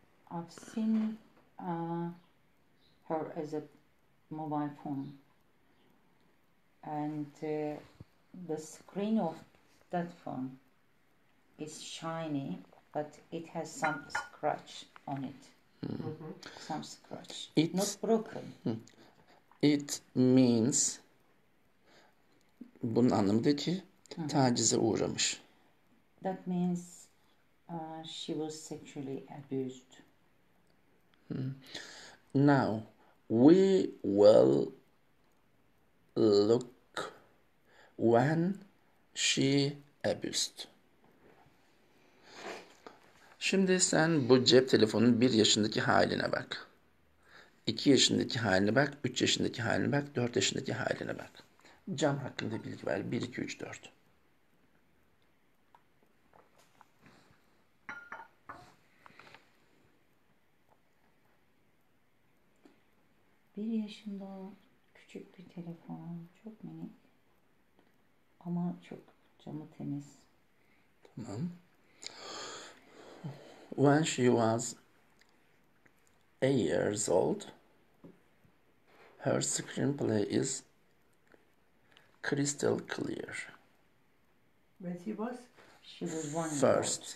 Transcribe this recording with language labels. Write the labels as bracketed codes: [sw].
[en] I've seen her as a mobile phone, and the screen of that phone is shiny, but it has some scratch on it. Some scratch. It's not broken. It means [tr] bunun anlamı da ki tacize uğramış. [en] That means she was sexually abused. Now we will look when she abused. [tr] Şimdi sen bu cep telefonunun 1 yaşındaki haline bak. 2 yaşındaki haline bak, 3 yaşındaki haline bak, 4 yaşındaki haline bak. Cam hakkında bilgi ver. 1, 2, 3, 4. Bir yaşında küçük bir telefon, çok minik ama çok camı temiz. Tamam. [en] When she was 8 years old, her screenplay is crystal clear. When she was? She was 1 year first